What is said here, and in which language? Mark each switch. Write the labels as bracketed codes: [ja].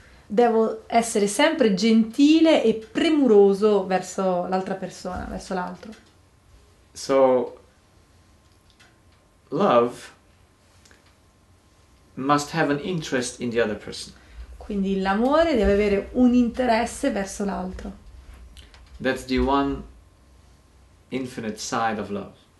[it] devo essere sempre gentile e premuroso verso l'altra persona, verso l'altro. [en] So, love must have an interest in the other person. [it] Quindi l'amore deve avere un interesse verso l'altro. [en] That's the one infinite side of love.